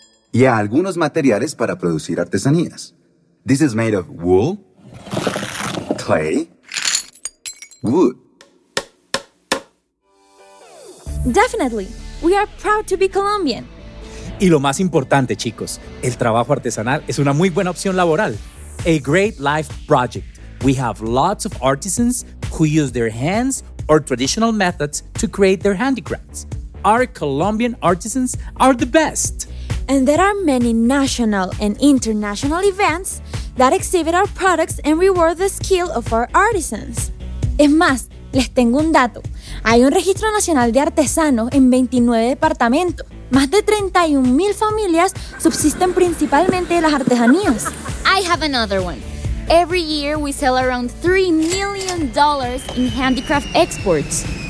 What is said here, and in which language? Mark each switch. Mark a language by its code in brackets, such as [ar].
[es] Y a algunos materiales para producir artesanías. [en] This is made of wool, clay, wood. Definitely. We are proud to be Colombian. Y lo más importante, chicos, el trabajo artesanal es una muy buena opción laboral. A great life project. We have lots of artisans who use their hands or traditional methods to create their handicrafts. Our Colombian artisans are the best. And there are many national and international events that exhibit our products and reward the skill of our artisans. [es] Es más, les tengo un dato. Hay un registro nacional de artesanos en 29 departamentos. Más de 31,000 familias subsisten principalmente de las artesanías. [en] I have another one. Every year we sell around $3 million in handicraft exports.